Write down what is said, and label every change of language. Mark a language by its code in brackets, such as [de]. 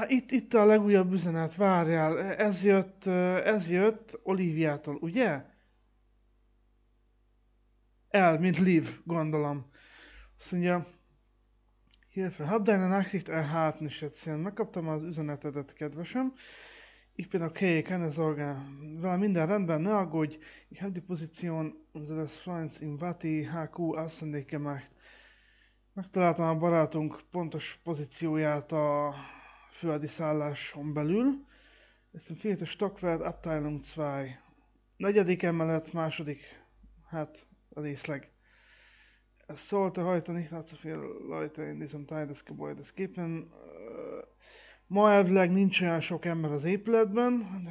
[hu] Itt a legújabb üzenet, várjál, ez jött Oliviától, ugye? El, mint Liv, gondolom. Azt mondja, [de] hilfe, hab deine Nachricht erhalten, Schätzchen. [hu] Megkaptam az üzenetedet, kedvesem. [de] Ich bin okay, keine Sorge. [hu] Vele minden rendben, ne aggódj. [de] Ich hab die Position unseres Freunds im Vati HQ ausfindig gemacht. [hu] Megtaláltam a barátunk pontos pozícióját a földi szálláson belül. Ez a [de] vierte Stockwerk, Abteilung 2. [hu] Negyedik emelet, második, hát a részleg. [de] Es sollte heute nicht allzu viele Leute in diesem Teil des Gebäudes geben. [hu] Ma elvileg nincs olyan sok ember az épületben.